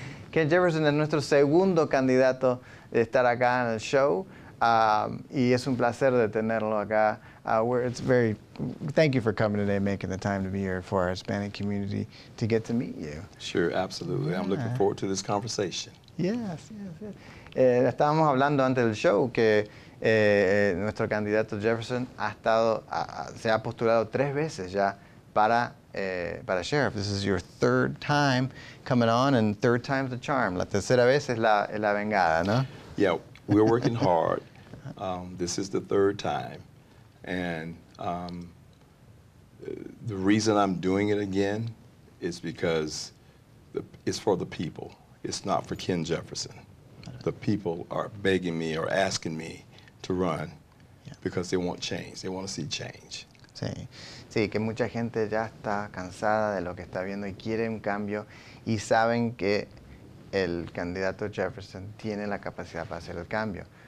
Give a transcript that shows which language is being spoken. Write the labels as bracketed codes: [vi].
[es] Ken Jefferson es nuestro segundo candidato de estar acá en el show. Y es un placer de tenerlo acá. [en] Thank you for coming today, making the time to be here for our Hispanic community to get to meet you. Sure, absolutely. Yeah. I'm looking forward to this conversation. Yes, yes, yes. [es] Estábamos hablando antes del show que nuestro candidato Jefferson se ha postulado tres veces ya para sheriff. [en] This is your third time coming on and third time's the charm. [es] La tercera vez es la vengada, ¿no? [en] Yeah, we're working hard. This is the third time. And the reason I'm doing it again is because it's for the people. It's not for Ken Jefferson. The people are begging me or asking me to run because they want change. They want to see change. [es] Sí, que mucha gente ya está cansada de lo que está viendo y quiere un cambio y saben que el candidato Jefferson tiene la capacidad para hacer el cambio.